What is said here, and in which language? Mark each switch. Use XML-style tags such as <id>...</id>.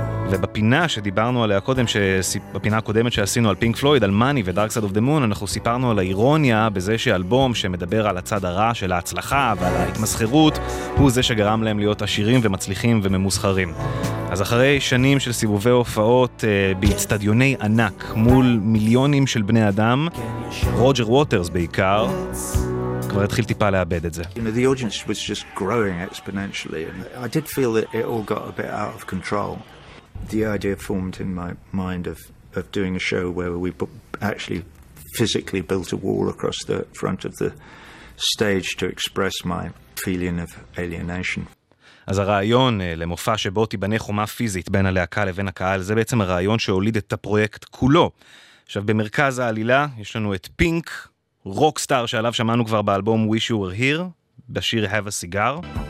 <he>ובפינה שדיברנו עליה קודם, בפינה הקודמת שעשינו על פינק פלויד, על מאני ודארק סייד אוף דה מון, אנחנו סיפרנו על האירוניה בזה שאלבום שמדבר על הצד הרע של ההצלחה ועל ההתמסחרות, הוא זה שגרם להם להיות עשירים ומצליחים וממוסחרים. אז אחרי שנים של סיבובי הופעות באצטדיוני ענק מול מיליונים של בני אדם, רוג'ר ווטרס בעיקר, כבר התחיל טיפה לאבד את זה.</he> <en>You know, the audience was just growing exponentially, and I did feel that it all got a bit out of control. The idea formed in my mind of doing a show where we actually physically built a wall across the front of the stage to express my feeling of alienation.</en> <he>אז הרעיון למופע שבו תיבנה חומה פיזית בין הלהקה לבין הקהל, זה בעצם הרעיון שהוליד את הפרויקט כולו. עכשיו, במרכז העלילה יש לנו את פינק, רוקסטאר שעליו שמענו כבר באלבום Wish You Were Here, בשיר Have a Cigar.</he>